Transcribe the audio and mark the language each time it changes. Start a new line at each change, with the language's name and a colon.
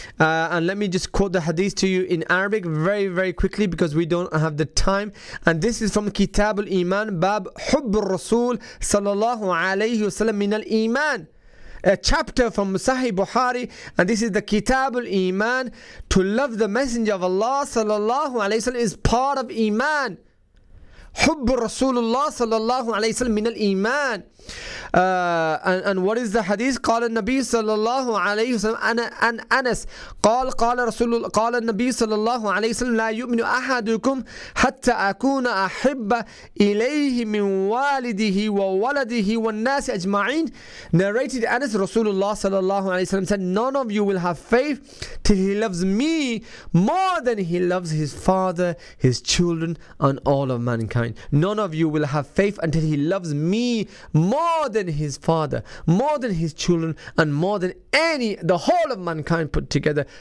English: And let me just quote the hadith to you in Arabic very, very quickly, because we don't have the time. And this is from Kitab al-Iman, Bab Hubb al-Rasul sallallahu alayhi wa sallam min al-Iman. A chapter from Sahih Bukhari, and this is the Kitab al-Iman. To love the Messenger of Allah sallallahu alayhi wa sallam is part of Iman.
Arabic: حب رسول الله صلى الله عليه وسلم من الإيمان.
English: And what is the hadith?
Arabic: قال النبي صلى الله عليه وسلم أن أنس قال قال رسول قال النبي صلى الله عليه وسلم لا يؤمن أحدكم حتى أكون أحب إليه من والده وولده والناس أجمعين.
English: Narrated Anas, Rasulullah
Arabic: صلى الله عليه وسلم
English: said, none of you will have faith till he loves me more than he loves his father, his children, and all of mankind. None of you will have faith until he loves me more than his father, more than his children, and more than any, the whole of mankind put together.